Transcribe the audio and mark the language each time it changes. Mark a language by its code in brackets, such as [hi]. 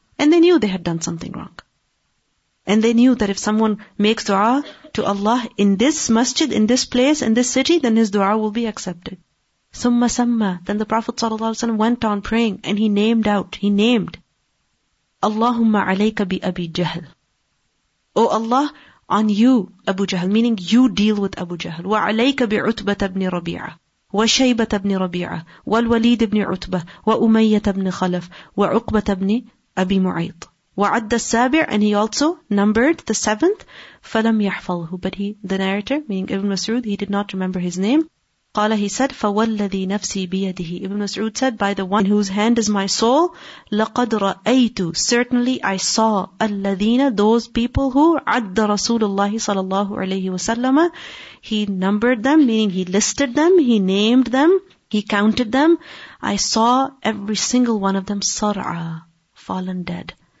[en] And they knew they had done something wrong. And they knew that if someone makes dua to Allah in this masjid, in this place, in this city, then his dua will be accepted. [ar] ثُمَّ سَمَّ, [en] then the Prophet ﷺ went on praying, and he named out, he named, [ar] اللَّهُمَّ عَلَيْكَ بِأَبِي جَهْل, [en] O Allah, on you, Abu Jahl, meaning you deal with Abu Jahl. [ar] وَعَلَيْكَ بِعُتْبَةَ بْنِ رَبِيعَةَ وَشَيْبَةَ بْنِ رَبِيعَةَ وَالْوَلِيدِ بْنِ عُتْبَةَ وَأُمَيَّةَ بْنِ خَلَفَ وَعُقْبَةَ بْنِ أَبِي مُعَيْطَ وَعَدَّ السَّابِعَ, [en] and he also numbered the seventh, [ar] فَلَمْ يَحْفَظْهُ, [en] but he, the narrator, meaning Ibn Mas'ud, he did not remember his name. [ar] قَالَ, [en] he said, [ar] فَوَالَّذِي نَفْسِي بِيَدِهِ, [en] Ibn Mas'ud said, by the one whose hand is my soul, [ar] لَقَدْ رَأَيْتُ, [en] certainly I saw, [ar] الَّذِينَ, [en] those people who, [ar] عَدَّ رَسُولُ اللَّهِ صَلَى اللَّهُ عَلَيْهِ وَسَلَّمَ, [en] he numbered them, meaning he listed them, he named them, he counted them, I saw every single one of them, [ar] صَرْعَى, [en] fallen dead,